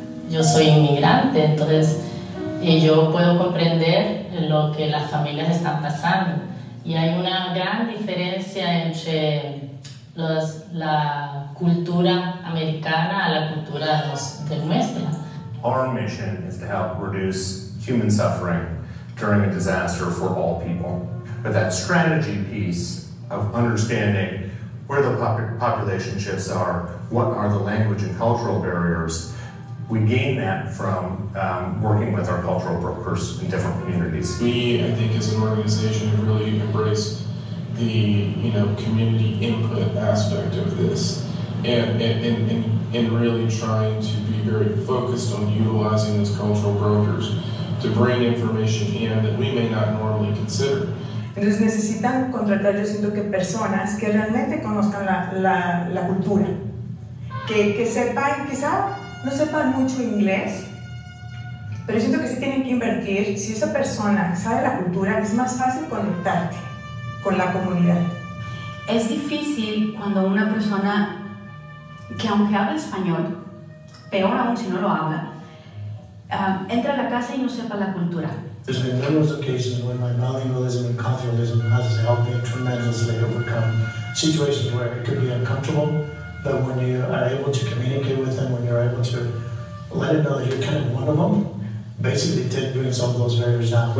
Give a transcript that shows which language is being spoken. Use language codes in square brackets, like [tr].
[es] Yo soy inmigrante, entonces yo puedo comprender lo que las familias están pasando. Y hay una gran diferencia entre la cultura americana a la cultura de nuestra. [en] Our mission is to help reduce human suffering during a disaster for all people. But that strategy piece of understanding where the population shifts are, what are the language and cultural barriers, we gain that from working with our cultural brokers in different communities. We, I think, as an organization, have really embraced the community input aspect of this, and really trying to be very focused on utilizing these cultural brokers to bring information in that we may not normally consider. [es] Entonces necesitan contratar, yo siento que personas que realmente conozcan la cultura, que sepan quizá. No sepan mucho inglés, pero siento que sí tienen que invertir. Si esa persona sabe la cultura, es más fácil conectarte con la comunidad. Es difícil cuando una persona que aunque habla español, peor aún si no lo habla, entra a la casa y no sepa la cultura. [en] There's been numerous occasions when my bilingualism and culturalism has helped me tremendously overcome situations where it could be uncomfortable. But when you are able to communicate with them, when you're able to let them know that you're kind of one of them, basically did bring some of those barriers down.